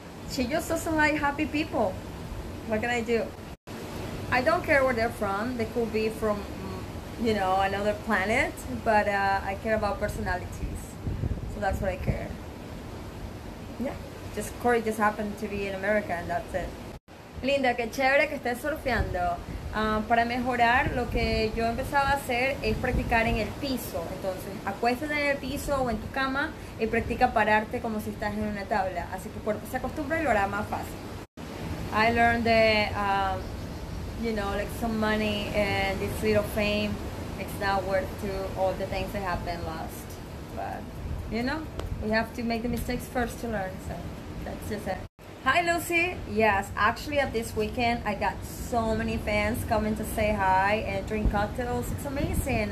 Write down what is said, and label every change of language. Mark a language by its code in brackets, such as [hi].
[en] She just doesn't like happy people. What can I do? I don't care where they're from. They could be from, you know, another planet, but I care about personalities. So that's what I care. Yeah, just Corey just happened to be in America, and that's it. [es] Linda, qué chévere que estés surfeando. Para mejorar, lo que yo empezaba a hacer es practicar en el piso. Entonces, acuéstate en el piso o en tu cama y practica pararte como si estás en una tabla. Así tu cuerpo se acostumbra y lo hará más fácil. [en] I learned the you know, like some money and this little fame, it's not worth to all the things that have been lost. But you know, we have to make the mistakes first to learn, so that's just it. Hi, Lucy. Yes, actually, at this weekend, I got so many fans coming to say hi and drink cocktails. It's amazing.